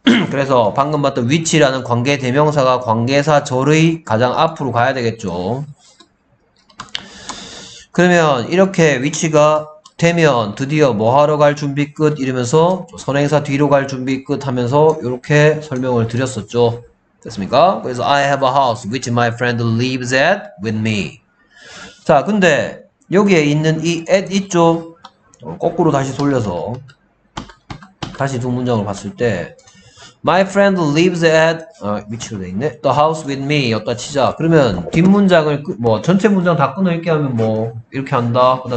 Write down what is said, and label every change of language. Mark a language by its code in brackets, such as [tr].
[ko] 그래서 방금 봤던 위치라는 관계대명사가 관계사절의 가장 앞으로 가야 되겠죠. 그러면 이렇게 위치가 되면 드디어 뭐 하러 갈 준비 끝 이러면서 선행사 뒤로 갈 준비 끝 하면서 이렇게 설명을 드렸었죠. 됐습니까? 그래서 [en] I have a house which my friend lives at with me. [ko] 자, 근데 여기에 있는 이 at 있죠? 거꾸로 다시 돌려서 다시 두 문장을 봤을 때 [en] My friend lives at [ko] 위치로 돼 있네. [en] The house with me [ko] 였다 치자. 그러면 뒷문장을 뭐 전체 문장 다 끊어읽게 하면 뭐 이렇게 한다.